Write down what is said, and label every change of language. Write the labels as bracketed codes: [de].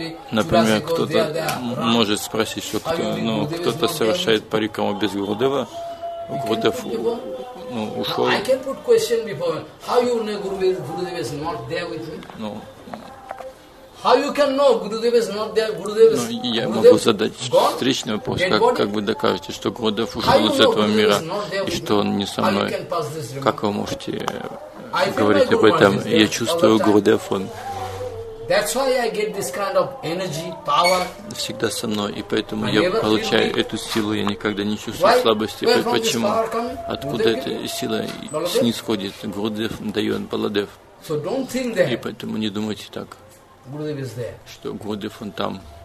[ru] Например, кто-то может спросить, что кто-то совершает парикраму без Гурудева. Гурудев ушел. [en] I can put question before. How you know Gurudev is not there with me? No. How you can know Gurudev is not there? Gurudev is. [ru] Но я могу задать встречный вопрос, как вы докажете, что Гурудев ушел из этого мира и что он не со мной? Как вы можете говорить об этом? Я чувствую Гурудев, он. [en] That's why I get this kind of energy, power. [ru] Всегда со мной, и поэтому я получаю эту силу. Я никогда не чувствую слабости. Почему? Откуда эта сила снисходит? Гурудев дает, Баладев. [en] So don't think that. [ru] И поэтому не думайте так, что Гурудев он там.